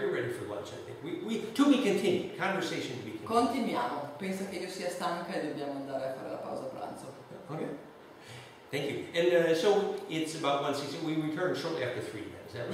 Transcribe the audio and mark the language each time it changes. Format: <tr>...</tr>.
<en>We're ready for lunch. I think we to be continued. Conversation to be continued.</en> <it>Continuiamo. Pensa che io sia stanca e dobbiamo andare a fare la pausa pranzo.</it> <en>Okay. Thank you. And so it's about 1:16. We return shortly after 3:00. Is that right?</en>